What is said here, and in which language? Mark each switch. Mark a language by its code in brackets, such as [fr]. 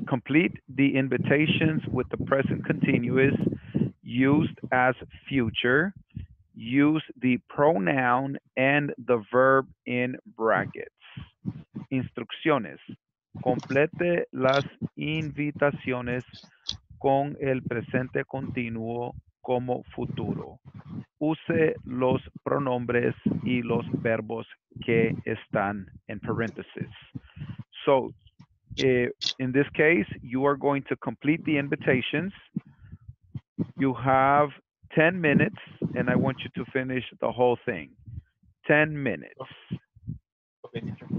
[en] Complete the invitations with the present continuous used as future. Use the pronoun and the verb in brackets. [es] Instrucciones. Complete las invitaciones con el presente continuo como futuro. Use los pronombres y los verbos que están en parentheses. [en] So, in this case, you are going to complete the invitations. You have 10 minutes, and I want you to finish the whole thing. 10 minutes. Okay.